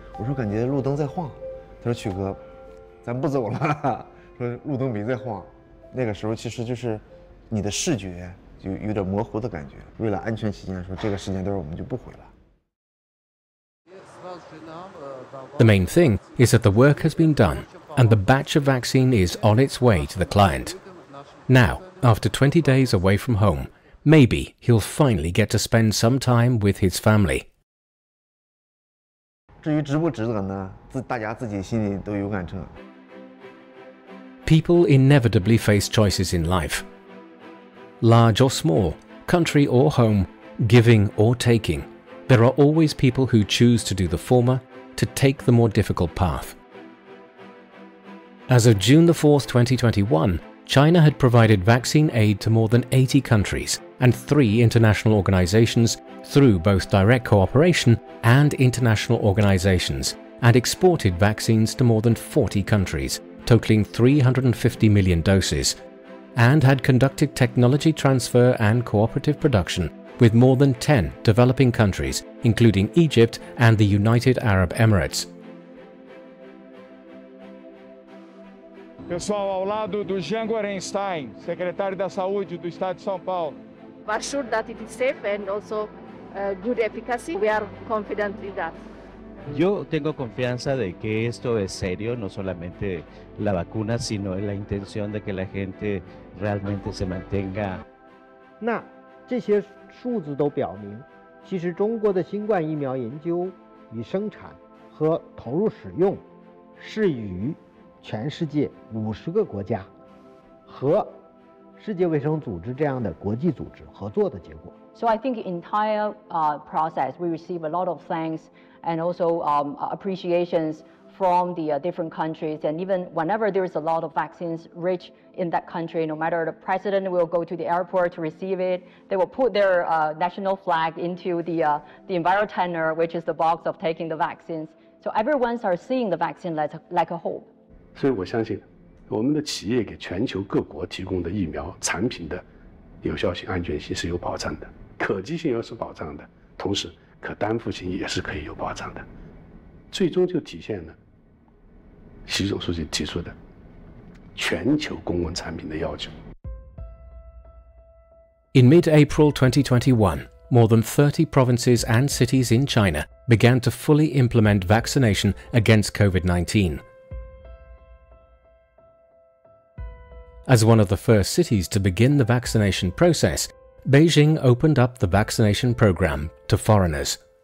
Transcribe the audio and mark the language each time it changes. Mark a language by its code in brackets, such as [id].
[zh] 我说感觉路灯在晃。他说曲哥，咱不走了。说路灯没在晃。那个时候其实就是。你的视觉就有点模糊的感觉，为了安全起见，说这个时间段我们就不回了。 [en] The main thing is that the work has been done, and the batch of vaccine is on its way to the client. Now, after 20 days away from home, maybe he'll finally get to spend some time with his family. [zh] 至于值不值得呢？大家自己心里都有杆秤。 [en] People inevitably face choices in life. Large or small, country or home, giving or taking, there are always people who choose to do the former, to take the more difficult path. As of June 4, 2021, China had provided vaccine aid to more than 80 countries and 3 international organizations through both direct cooperation and international organizations, and exported vaccines to more than 40 countries, totaling 350 million doses. And had conducted technology transfer and cooperative production with more than 10 developing countries, including Egypt and the United Arab Emirates. [pt] Pessoal, ao lado do Jean Gorenstein, secretário da Saúde do Estado de São Paulo. [en] We are sure that it is safe and also good efficacy. We are confident in that. [es] Yo tengo confianza de que esto es serio, no solamente la vacuna, sino la intención de que la gente realmente se mantenga. [zh] 那这些数字都表明，其实中国的新冠疫苗研究与生产和投入使用，是与全世界50个国家和世界卫生组织这样的国际组织合作的结果。 [en] So I think entire process, we receive a lot of thanks. And also appreciations from the different countries. And even whenever there is a lot of vaccines reach in that country, no matter the president will go to the airport to receive it, they will put their national flag into the Envirotanner, which is the box of taking the vaccines. So everyone are seeing the vaccine like a hope. [zh] 所以我相信我们的企业给全球各国提供的疫苗产品的有效性、安全性是有保障的，可及性也是保障的，同时可担负性也是可以有保障的，最终就体现了习总书记提出的全球公共产品的要求。 [en] In mid-April 2021, more than 30 provinces and cities in China began to fully implement vaccination against COVID-19. As one of the first cities to begin the vaccination process, Beijing opened up the vaccination program to foreigners.